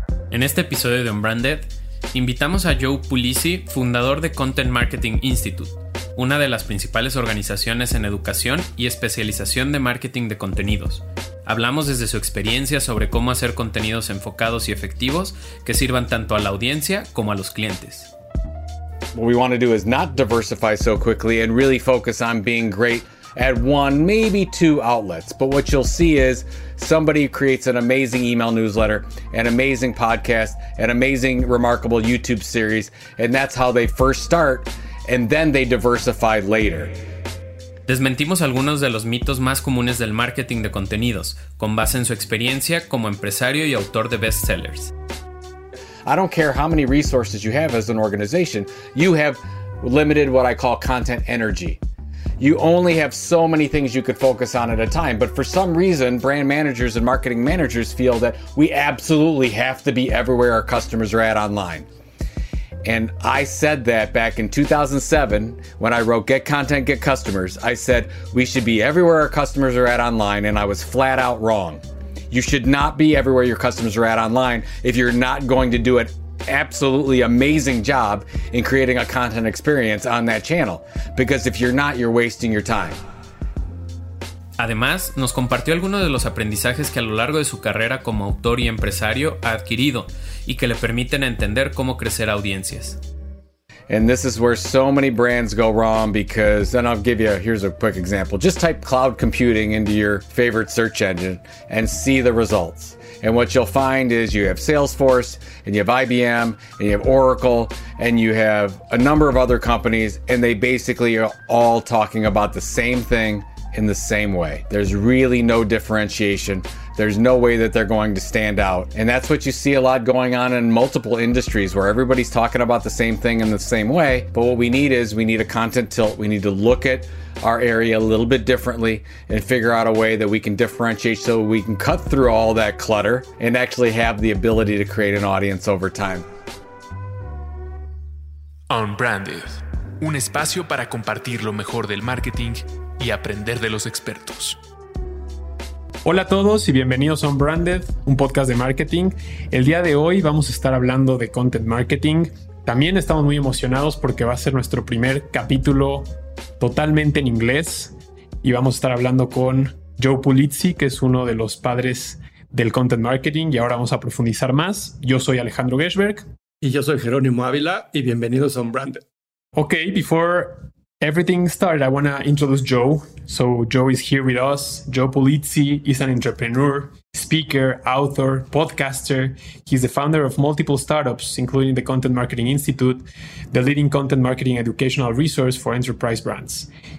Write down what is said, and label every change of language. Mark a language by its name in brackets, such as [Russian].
[Spanish] En este episodio de Unbranded, invitamos a Joe Pulisi, fundador de Content Marketing Institute, una de las principales organizaciones en educación y especialización de marketing de contenidos. Hablamos desde su experiencia sobre cómo hacer contenidos enfocados y efectivos que sirvan tanto a la audiencia como a los clientes. [English] What we want to do is not diversify so quickly and really focus on being great at one, maybe two outlets. But what you'll see is somebody creates an amazing email newsletter, an amazing podcast, an amazing, remarkable YouTube series, and that's how they first start, and then they diversify later. [Spanish] Desmentimos algunos de los mitos más comunes del marketing de contenidos, con base en su experiencia como empresario y autor de bestsellers. [English] I don't care how many resources you have as an organization, you have limited what I call content energy. You only have so many things you could focus on at a time, but for some reason, brand managers and marketing managers feel that we absolutely have to be everywhere our customers are at online. And I said that back in 2007, when I wrote Get Content, Get Customers, I said we should be everywhere our customers are at online, and I was flat out wrong. You should not be everywhere your customers are at online if you're not going to do an absolutely amazing job in creating a content experience on that channel. Because if you're not, you're wasting your time. [Spanish] Además, nos compartió algunos de los aprendizajes que a lo largo de su carrera como autor y empresario ha adquirido y que le permiten entender cómo crecer audiencias. [English] And this is where so many brands go wrong because, and I'll give you, here's a quick example. Just type cloud computing into your favorite search engine and see the results. And what you'll find is you have Salesforce and you have IBM and you have Oracle and you have a number of other companies, and they basically are all talking about the same thing in the same way. There's really no differentiation. There's no way that they're going to stand out. And that's what you see a lot going on in multiple industries where everybody's talking about the same thing in the same way. But what we need is we need a content tilt. We need to look at our area a little bit differently and figure out a way that we can differentiate so we can cut through all that clutter and actually have the ability to create an audience over time. [Spanish] Unbranded, un espacio para compartir lo mejor del marketing y aprender de los expertos. Hola a todos y bienvenidos a Unbranded, un podcast de marketing. El día de hoy vamos a estar hablando de content marketing. También estamos muy emocionados porque va a ser nuestro primer capítulo totalmente en inglés y vamos a estar hablando con Joe Pulisi, que es uno de los padres del content marketing, y ahora vamos a profundizar más. Yo soy Alejandro Geshberg. Y yo soy Jerónimo Ávila y bienvenidos a Unbranded. [English] Ok, before everything started, I want to introduce Joe. So Joe is here with us. Joe Pulisi is an entrepreneur, speaker, author, podcaster. He's the founder of multiple startups, including the Content Marketing Institute, the leading content marketing educational resource for enterprise brands.